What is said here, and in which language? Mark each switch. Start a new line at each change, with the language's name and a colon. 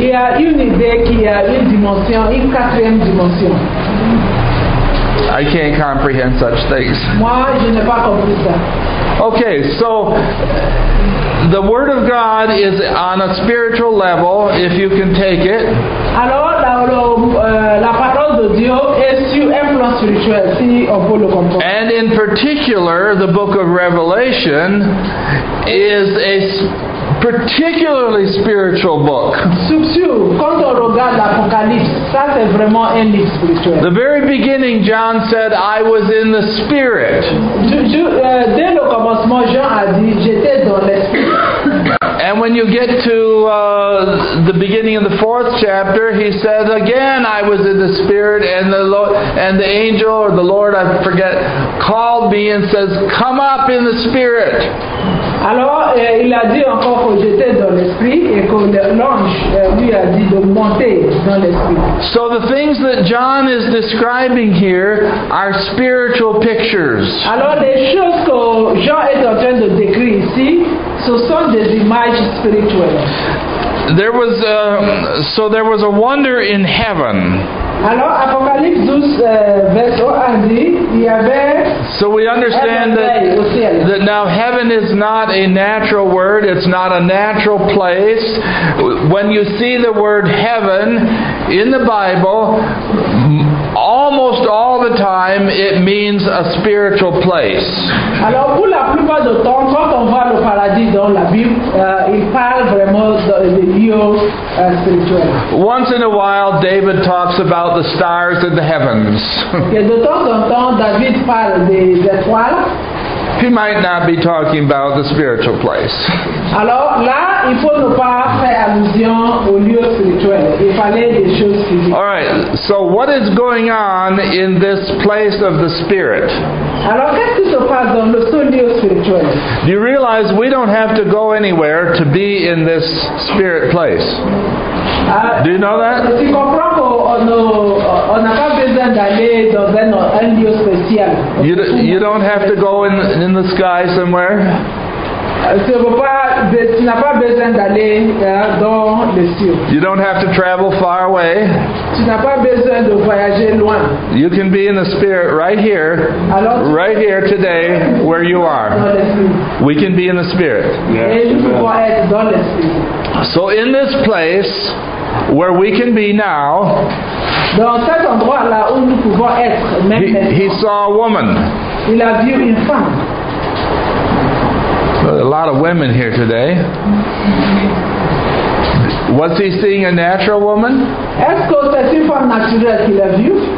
French: Il a une idée qu'il y a une dimension, une quatrième dimension.
English: I can't comprehend such things.
French: Moi, je n'ai pas compris ça.
English: Okay, so the Word of God is on a spiritual level, if you can take it.
French: Alors, la parole de Dieu est sur un plan spirituel, si on peut le comprendre.
English: And in particular, the book of Revelation is a particularly spiritual book.
French: Quand on regarde l'Apocalypse, ça c'est vraiment un livre spirituel.
English: The very beginning, John said, I was in the Spirit.
French: Dès le commencement, Jean a dit, j'étais dans l'Esprit.
English: And when you get to the beginning of the fourth chapter, he says again, I was in the Spirit, and the Lord, and the angel or the Lord, I forget, called me and says, come up in the Spirit.
French: Alors, il a dit encore que j'étais dans l'esprit et que l'ange lui a dit de monter dans l'esprit.
English: So the things that John is describing here are spiritual pictures.
French: Alors, les choses que Jean est en train de décrire ici, ce sont des images spirituelles.
English: There was a wonder in heaven.
French: Alors, Apocalypse 12, verse 1, dit, il y avait.
English: So we understand that now heaven is not a natural word, it's not a natural place. When you see the word heaven in the Bible, almost all the time it means a spiritual place.
French: Alors, pour la plupart du temps, quand on voit le paradis dans la Bible, il parle vraiment de lieu spirituel.
English: Once in a while, David talks about the stars in the heavens.
French: De temps en temps, David parle des étoiles.
English: He might not be talking about the spiritual place.
French: Alors, là, il faut ne pas faire allusion au lieu spirituel. Il fallait des choses spirituelles.
English: All right, so what is going on in this place of the Spirit?
French: Alors, qu'est-ce qui se passe dans le seul lieu spirituel?
English: Do you realize we don't have to go anywhere to be in this spirit place? Do you know that?
French: Tu comprends qu'on n'a pas besoin d'aller dans un lieu spécial.
English: You don't have to go in the sky somewhere?
French: Tu n'as pas besoin d'aller dans les cieux.
English: You don't have to travel far away.
French: Tu n'as pas besoin de voyager loin.
English: You can be in the Spirit right here.
French: Alors,
English: right here today where you are. We can be in the Spirit. Yes.
French: Et nous pouvons être dans l'Esprit.
English: So in this place where we can be now,
French: dans cet endroit là où nous pouvons être
English: he saw a woman.
French: Il a vu une femme.
English: A lot of women here today. Was he seeing a natural woman?
French: Est-ce que c'est une femme naturelle qu'il a vue?